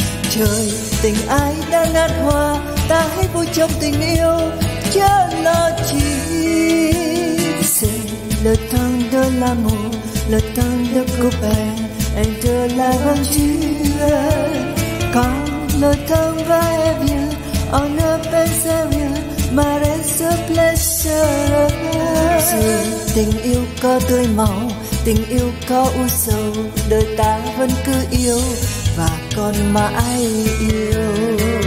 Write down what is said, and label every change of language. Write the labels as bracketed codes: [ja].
[vi] Trời tình ai đã ngát hoa, ta hãy vui trong tình yêu, chớ lo chi. [fr] C'est le temps de l'amour, le temps de copain et de l'aventure. Quand le temps va et vient, on ne pense à rien, mais reste plaisir. [vi] Dù tình yêu có tươi màu, tình yêu có u sầu, đời ta vẫn cứ yêu và còn mãi yêu.